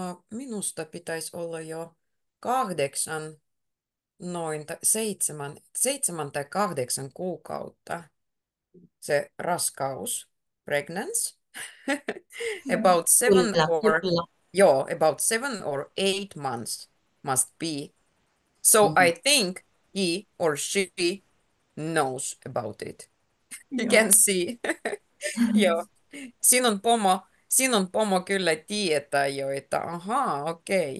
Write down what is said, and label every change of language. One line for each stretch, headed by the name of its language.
Finnish: Minusta pitäisi olla jo 8. Noin seitsemän tai 8 kuukautta se raskaus, pregnancy, Joo.
English: about seven
Finnish: Kyllä,
English: or,
Finnish: kyllä.
English: joo, about 7 or 8 months must be. So I think he or she knows about it. You can
Finnish: Joo.
English: see.
Finnish: Joo, sinun pomo kyllä tietää jo, että ahaa, okei.